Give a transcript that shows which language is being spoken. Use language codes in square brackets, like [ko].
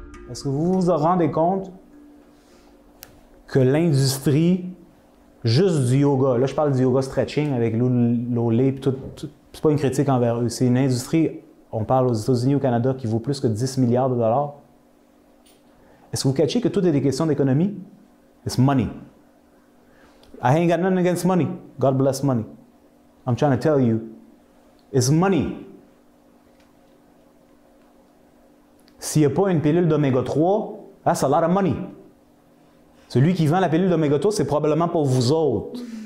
[fr] Est-ce que vous vous rendez compte que l'industrie, juste du yoga, là je parle du yoga stretching avec l'olé et tout, c'est pas une critique envers eux, c'est une industrie, on parle aux États-Unis, au Canada, qui vaut plus que 10 milliards de dollars. Est-ce que vous catchez que tout est des questions d'économie? [en] It's money. I ain't got nothing against money. God bless money. I'm trying to tell you, it's money. [fr] S'il n'y a pas une pilule d'oméga 3, that's a lot of money. Celui qui vend la pilule d'oméga 3, c'est probablement pour vous autres.